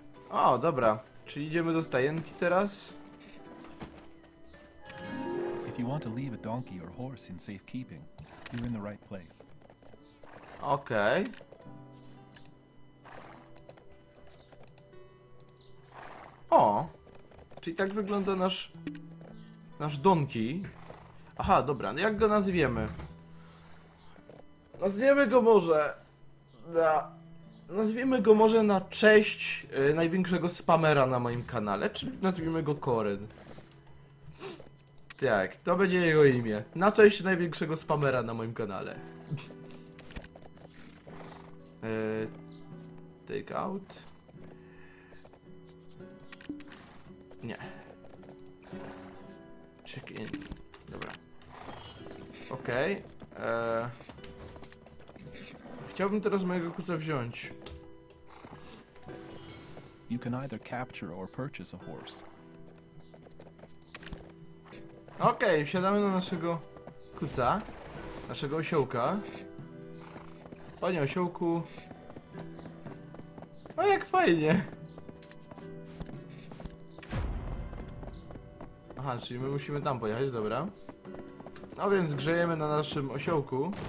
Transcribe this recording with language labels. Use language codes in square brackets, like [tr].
[pl] O, dobra. Czyli idziemy do stajenki teraz. [en] If you want to leave a donkey or horse in safe keeping, you're in the right place. [pl] Okej. O. Czyli tak wygląda nasz donkey. Aha, dobra. No jak go nazwiemy? Nazwiemy go może na... Nazwijmy go może na cześć największego spamera na moim kanale, czyli nazwijmy go Koryn. Tak, to będzie jego imię. Na cześć największego spamera na moim kanale. [en] Take out. [pl] Nie. [en] Check in. [pl] Dobra. Okej. Okay. Chciałbym teraz mojego kuca wziąć. [en] You can either capture or purchase a horse. [pl] Okej, wsiadamy na naszego kuca, naszego osiołka. Panie osiołku. O, jak fajnie. Aha, czyli my musimy tam pojechać, dobra. No więc grzejemy na naszym osiołku.